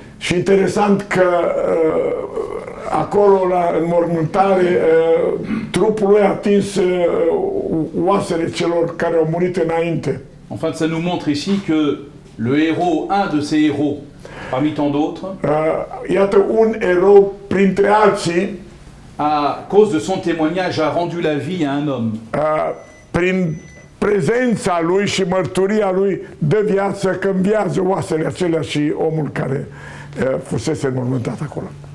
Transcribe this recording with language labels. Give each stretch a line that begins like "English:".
Romanian: Și interesant că acolo, la înmormântare, trupul lui a atins oasele celor care au murit înainte.
French: En fait, ça nous montre ici que le héros, un de ces héros, parmi tant d'autres,
Romanian: iată un erou printre alții,
French: à cause de son témoignage, a rendu la vie à un homme.
Romanian: Prin prezența lui și mărturia lui de viață, cambiază oasele acelea și omul care fusese înmormântat acolo.